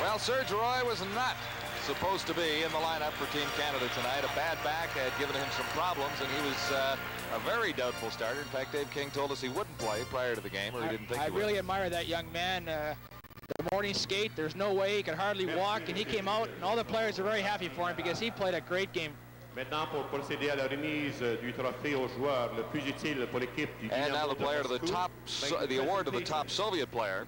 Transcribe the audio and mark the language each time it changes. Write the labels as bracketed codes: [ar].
[en] Well, Serge Roy was not supposed to be in the lineup for Team Canada tonight. A bad back had given him some problems, and he was a very doubtful starter. In fact, Dave King told us he wouldn't play prior to the game, or he didn't think he would. really admire that young man. The morning skate, there's no way he could hardly walk, and he came out, and all the players are very happy for him because he played a great game. [fr] Maintenant, pour procéder à la remise du trophée au joueur le plus utile pour l'équipe du [en] Dynamo. And now the player to the top, the award to the top Soviet player.